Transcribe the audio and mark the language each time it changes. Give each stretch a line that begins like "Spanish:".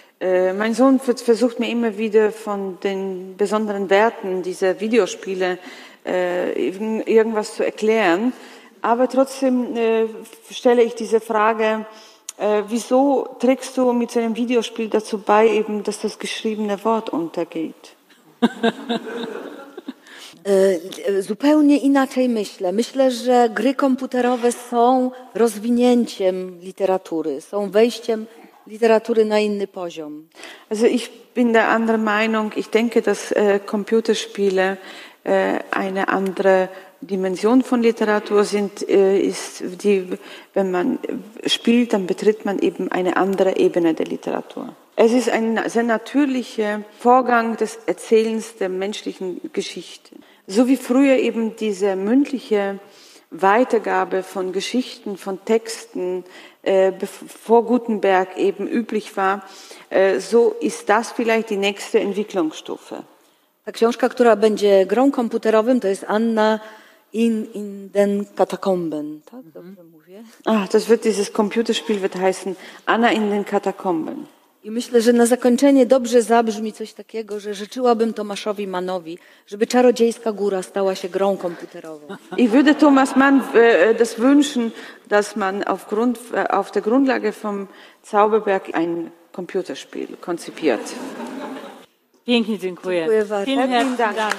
German: Mein Sohn versucht mir immer wieder von den besonderen Werten dieser Videospiele irgendwas zu erklären. Aber trotzdem stelle ich diese Frage, wieso trägst du mit so einem Videospiel dazu bei, eben, dass das geschriebene Wort untergeht?
Polish: Zupełnie inaczej myślę. Myślę, że gry komputerowe są rozwinięciem literatury, są wejściem literatury na inny poziom.
German: Also ich bin der anderen Meinung. Ich denke, dass Computerspiele eine andere Dimension von Literatur sind, ist die, wenn man spielt, dann betritt man eben eine andere Ebene der Literatur. Es ist ein sehr natürlicher Vorgang des Erzählens der menschlichen Geschichte. So wie früher eben diese mündliche Weitergabe von Geschichten, von Texten vor Gutenberg eben üblich war, so ist das vielleicht die nächste Entwicklungsstufe.
Polish: Ta książka, która będzie grą komputerową, to jest Anna in den Katakomben, tak? Dobrze mówię.
German: Ach, das wird dieses Computerspiel wird heißen Anna in den Katakomben.
Polish: I myślę, że na zakończenie dobrze zabrzmi coś takiego, że życzyłabym Tomaszowi Mannowi, żeby Czarodziejska Góra stała się grą komputerową.
German: I würde Thomas Mann das wünschen, dass man auf der Grundlage vom Zauberberg ein Computerspiel konzipiert.
Polish: Pięknie dziękuję. Dziękuję bardzo.
German: Vielen herzlichen Dank.